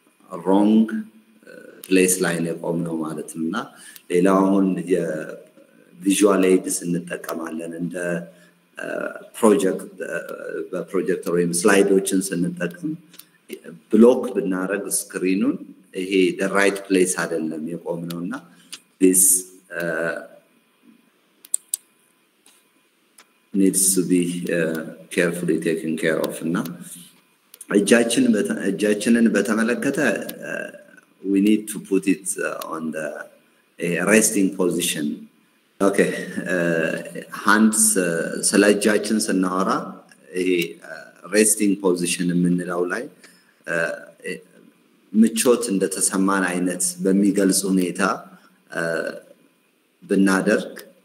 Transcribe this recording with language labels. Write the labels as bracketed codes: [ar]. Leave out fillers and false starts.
[am] ሮንግ ፕሌስ ላይ ነው ነው ማለት ነው። እና ሌላው አሁን የቪዥዋል ኤድስ እንጠቀማለን። እንደ ፕሮጀክት በፕሮጀክተር ወይም ስላይዶችን ስንጠቅም ብሎክ ብናደርግ ስክሪኑን ይሄ ደ ራይት ፕሌስ አይደለም የቆም ነው እና ዲስ [en] needs to be carefully taken care of. [am] እና እጃችንን በተመለከተ [en] we need to put it on the resting position. [am] Okay, hands ስለ እጃችን ስናወራ ይሄ resting position የምንለው ላይ ምቾት እንደተሰማን አይነት በሚገልጽ ሁኔታ ብናደርግ